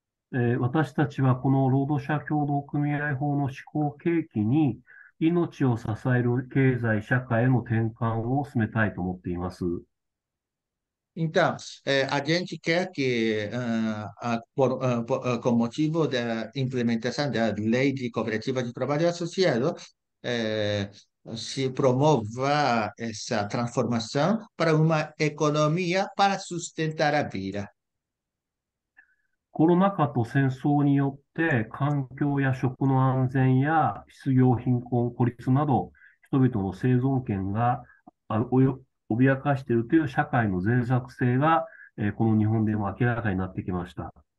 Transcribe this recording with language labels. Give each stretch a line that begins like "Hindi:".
Japanese: 私たちはこの労働者協同組合法の施行契機に、命を支える経済社会への転換を進めたいと思っています。
Portuguese: Então, a gente quer que, com motivo da implementação da lei de cooperativa de trabalho associado, se promova essa transformação para uma economia para sustentar a vida.
Japanese: コロナ禍と戦争によって環境や食の安全や失業、貧困、孤立など人々の生存権が脅かしているという社会の脆弱性がこの日本でも明らかになってきました。